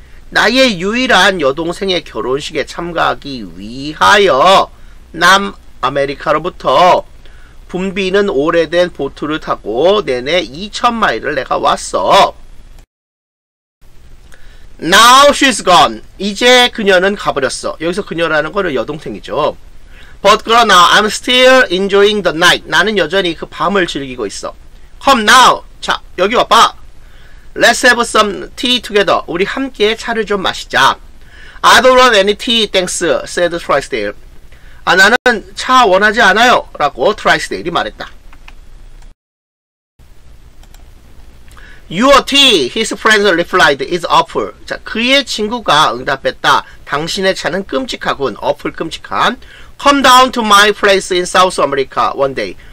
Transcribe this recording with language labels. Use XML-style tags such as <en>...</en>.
<ko>나의 유일한 여동생의 결혼식에 참가하기 위하여 남아메리카로부터 붐비는 오래된 보트를 타고 내내 2,000마일을 내가 왔어.</ko> <en>Now she's gone.</en> <ko>이제 그녀는 가버렸어. 여기서 그녀라는 거는 여동생이죠.</ko> <en>But girl, now I'm still enjoying the night.</en> <ko>나는 여전히 그 밤을 즐기고 있어.</ko> <en>Come now.</en> <ko>자, 여기 와봐.</ko> <en>Let's have some tea together.</en> <ko>우리 함께 차를 좀 마시자.</ko> <en>I don't want any tea, thanks, said Trysdale.</en> <ko>아, 나는 차 원하지 않아요, 라고 트라이스데일이 말했다.</ko> <en>Your tea, his friend replied, is awful.</en> <ko>자, 그의 친구가 응답했다. 당신의 차는 끔찍하군.</ko> <en>awful, 끔찍한. Come down to my place in South America one day.</en>